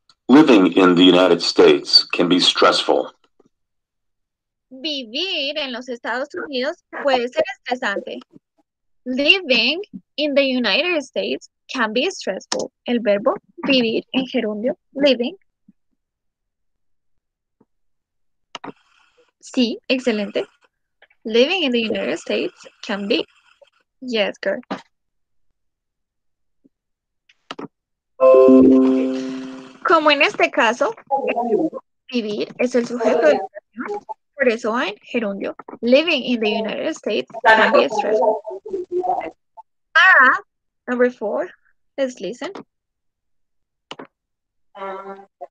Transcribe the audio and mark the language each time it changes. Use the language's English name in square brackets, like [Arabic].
[English] Living in the United States can be stressful. [Spanish] Vivir en los Estados Unidos puede ser estresante. [English] Living in the United States can be stressful. [Spanish] El verbo vivir en gerundio, living. Sí, excelente. [English] Living in the United States can be. Yes, girl. [Spanish] Como en este caso, vivir es el sujeto de la oración. Por eso va en gerundio. [English] Living in the United States can be stressful. Sarah, number four, let's listen. Four.